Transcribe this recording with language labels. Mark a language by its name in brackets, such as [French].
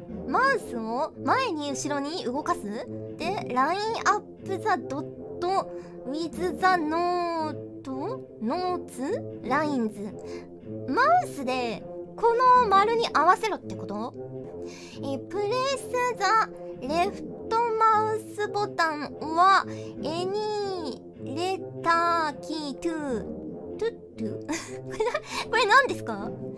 [Japanese] マウスを前に後ろに動かす。 [English] で、line up the dot with the note? notes? lines? [Japanese] マウスで、この丸に合わせろってこと？ [English] プレスザレフトマウスボタンはエニーレターキートゥトゥトゥ [Japanese] これ何ですか？